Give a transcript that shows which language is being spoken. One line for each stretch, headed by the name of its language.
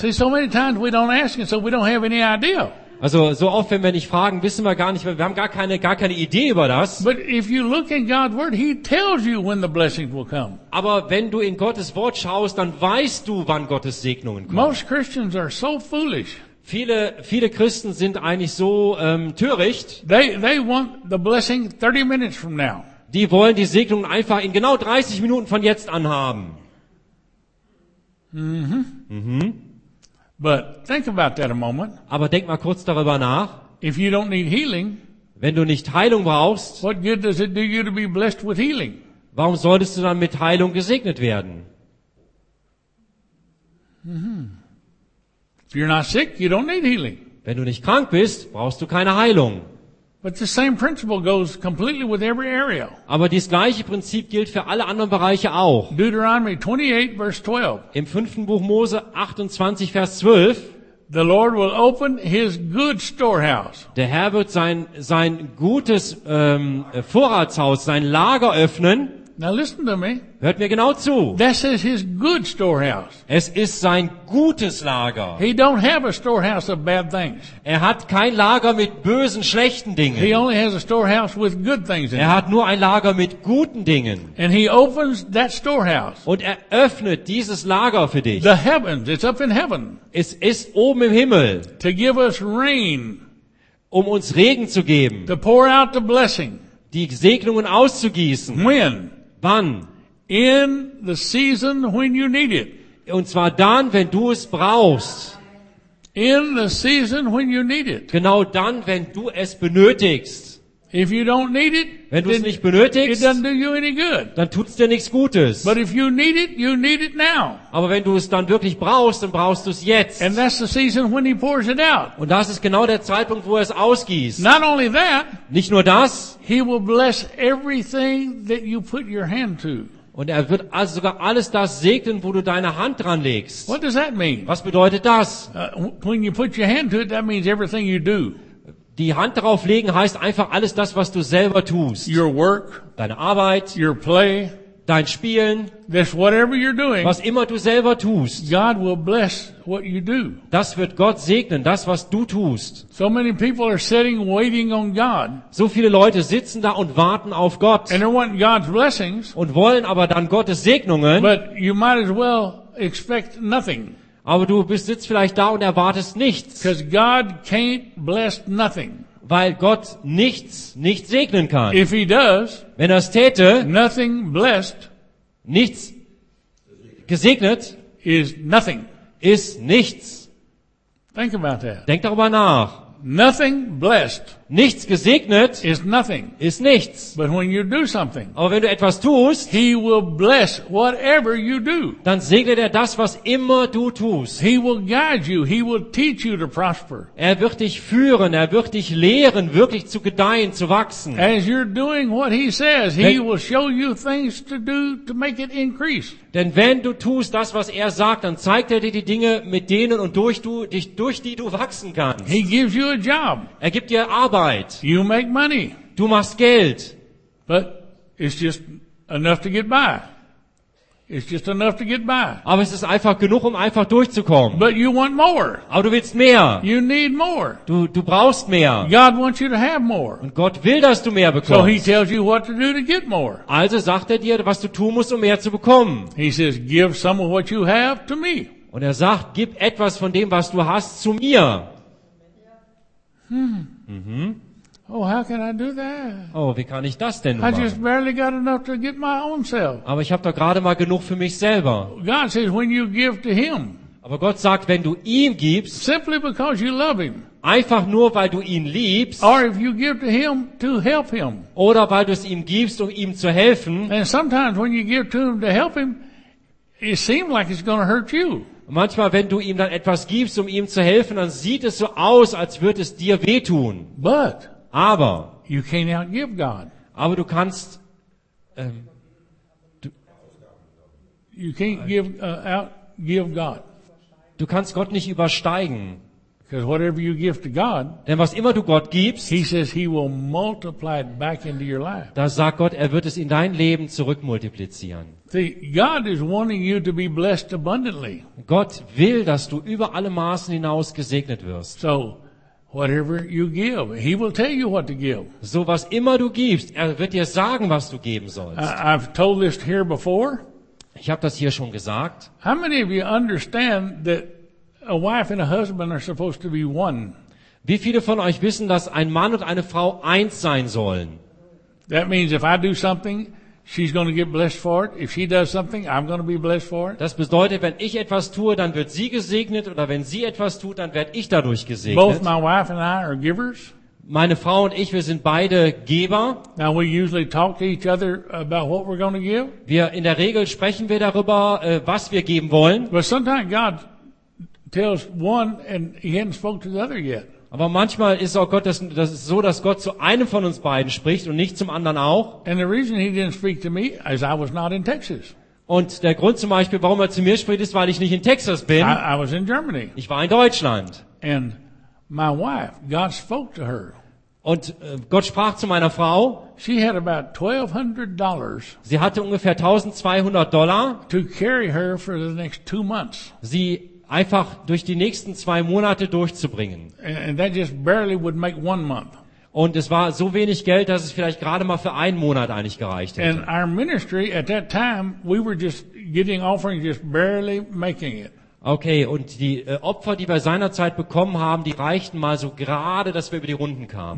English: See, so many times we don't ask and so we don't have any idea.
German: Also so oft, wenn wir nicht fragen, wissen wir gar nicht, wir haben gar keine Idee über das.
English: But if you look in God's word, he tells you when the blessings will come.
German: Aber wenn du in Gottes Wort schaust, dann weißt du, wann Gottes Segnungen kommen.
English: Most Christians are so foolish.
German: Viele Christen sind eigentlich so töricht.
English: They want the blessing 30 minutes from now.
German: Die wollen die Segnung einfach in genau 30 Minuten von jetzt an haben.
English: But think about that a moment.
German: Aber denk mal kurz darüber nach.
English: If you don't need healing,
German: wenn du nicht Heilung brauchst,
English: what good does it do you to be blessed with healing?
German: Warum solltest du dann mit Heilung gesegnet werden?
English: If you're not sick, you don't need healing.
German: Wenn du nicht krank bist, brauchst du keine Heilung.
English: But the same principle goes completely with every area.
German: Aber das gleiche Prinzip gilt für alle anderen Bereiche auch.
English: Deuteronomy 28, verse 12.
German: Im 5. Buch Mose 28, Vers 12.
English: The Lord will open his good storehouse.
German: Der Herr wird sein gutes Vorratshaus, sein Lager öffnen.
English: Now listen to me.
German: Hört mir genau zu.
English: This is his good storehouse.
German: Es ist sein gutes Lager.
English: He don't have a storehouse of bad things.
German: Er hat kein Lager mit bösen, schlechten Dingen.
English: He only has a storehouse with good things in
German: it. Er hat nur ein Lager mit guten Dingen.
English: And he opens that storehouse.
German: Und er öffnet dieses Lager für dich.
English: The heavens, it's up in heaven.
German: Es ist oben im Himmel.
English: To give us rain.
German: Um uns Regen zu geben.
English: To pour out the blessing.
German: Die Segnungen auszugießen.
English: When?
German: Wann?
English: In the season when you need it.
German: Und zwar dann, wenn du es brauchst.
English: In the season when you need it.
German: Genau dann, wenn du es benötigst.
English: If you don't need it,
German: wenn du es nicht benötigst,
English: it doesn't do you any good.
German: Dann tut's dir nichts Gutes.
English: But if you need it, you need it now.
German: Aber wenn du es dann wirklich brauchst, dann brauchst du es jetzt.
English: And that's the season when he pours it out.
German: Und das ist genau der Zeitpunkt, wo er es ausgießt.
English: Not only that,
German: nicht nur das,
English: he will bless everything that you put your hand to.
German: Und er wird also sogar alles das segnen, wo du deine Hand dran legst.
English: What does that mean?
German: Was bedeutet das?
English: When you put your hand to it, that means everything you do.
German: die Hand darauf legen heißt einfach alles das, was du selber tust.
English: Your work,
German: deine Arbeit,
English: your play,
German: dein Spielen,
English: this whatever you're doing,
German: was immer du selber tust.
English: God will bless what you do.
German: Das wird Gott segnen, das was du tust.
English: So many people are sitting waiting on God.
German: So viele Leute sitzen da und warten auf Gott.
English: And they want God's blessings.
German: Und wollen aber dann Gottes Segnungen.
English: But you might as well expect nothing.
German: Aber du sitzt vielleicht da und erwartest nichts.
English: Because God can't bless nothing.
German: Weil Gott nichts nicht segnen kann.
English: If he does,
German: wenn er es täte,
English: nothing blessed,
German: nichts gesegnet,
English: is nothing,
German: ist nichts.
English: Think about that.
German: Denk darüber nach.
English: Nothing blessed,
German: nichts gesegnet,
English: is nothing,
German: ist nichts.
English: But when you do something,
German: aber wenn du etwas tust,
English: he will bless whatever you do.
German: Dann segnet er das, was immer du tust.
English: He will guide you, he will teach you to prosper.
German: Er wird dich führen, er wird dich lehren, wirklich zu gedeihen, zu wachsen.
English: As you're doing what he says, he will show you things to do to make it increase.
German: Denn wenn du tust das, was er sagt, dann zeigt er dir die Dinge, mit denen und durch die du wachsen kannst.
English: He gives you a job.
German: Er gibt dir Arbeit.
English: You make money.
German: Du machst Geld.
English: But it's just enough to get by. It's just enough to get by.
German: Aber es ist einfach genug, um einfach durchzukommen.
English: But you want more.
German: Aber du willst mehr.
English: You need more.
German: Du brauchst mehr.
English: God wants you to have more.
German: Und Gott will, dass du mehr bekommst.
English: So he tells you what to do to get more.
German: Also sagt er dir, was du tun musst, um mehr zu bekommen.
English: He says, give some of what you have to me.
German: Und er sagt, gib etwas von dem, was du hast, zu mir.
English: Oh, how can I do that?
German: Oh, wie kann ich das denn machen?
English: I just barely got enough to get my own self.
German: Aber ich habe doch gerade mal genug für mich selber.
English: God says, when you give to him.
German: Aber Gott sagt, wenn du ihm gibst.
English: Simply because you love him.
German: Einfach nur, weil du ihn liebst.
English: Or if you give to him to help him.
German: Oder weil du es ihm gibst, um ihm zu helfen.
English: And sometimes when you give to him to help him, it seems like it's going to hurt you.
German: Manchmal, wenn du ihm dann etwas gibst, um ihm zu helfen, dann sieht es so aus, als würde es dir wehtun.
English: But
German: aber
English: you can't outgive God.
German: Aber du kannst
English: you can't outgive God.
German: Du kannst Gott nicht übersteigen.
English: Because whatever you give to God,
German: denn was immer du Gott gibst,
English: he says he will multiply it back into your life.
German: Da sagt Gott, er wird es in dein Leben zurückmultiplizieren.
English: See, God is wanting you to be blessed abundantly.
German: Gott will, dass du über alle Maßen hinaus gesegnet wirst.
English: So, whatever you give, he will tell you what to give.
German: So was immer du gibst, er wird dir sagen, was du geben sollst.
English: I've told this here before.
German: Ich habe das hier schon gesagt.
English: How many of you understand that a wife and a husband are supposed to be one?
German: Wie viele von euch wissen, dass ein Mann und eine Frau eins sein sollen?
English: That means if I do something, she's going to get blessed for it. If she does something, I'm going to be blessed for it.
German: Das bedeutet, wenn ich etwas tue, dann wird sie gesegnet, oder wenn sie etwas tut, dann werde ich dadurch gesegnet.
English: Both my wife and I are givers.
German: Meine Frau und ich, wir sind beide Geber.
English: Now we usually talk to each other about what we're going to give.
German: Wir in der Regel sprechen wir darüber, was wir geben wollen.
English: But sometimes God tells one and he hasn't spoken to the other yet.
German: Aber manchmal ist auch Gott das ist so, dass Gott zu einem von uns beiden spricht und nicht zum anderen auch.
English: And the reason he didn't speak to me is I was not in Texas.
German: Und der Grund zum Beispiel, warum er zu mir spricht, ist, weil ich nicht in Texas bin.
English: I was in Germany.
German: Ich war in Deutschland.
English: And my wife, God spoke to her.
German: Und Gott sprach zu meiner Frau.
English: She had about $1,200.
German: Sie hatte ungefähr $1,200.
English: To carry her for the next 2 months.
German: Sie einfach durch die nächsten 2 Monate durchzubringen.
English: And that just barely would make 1 month.
German: Und es war so wenig Geld, dass es vielleicht gerade mal für 1 Monat eigentlich gereicht hätte.
English: And our ministry at that time, we were just getting offerings, just barely making it.
German: Okay, und die Opfer, die wir seinerzeit bekommen haben, die reichten mal so gerade, dass wir über die Runden kamen.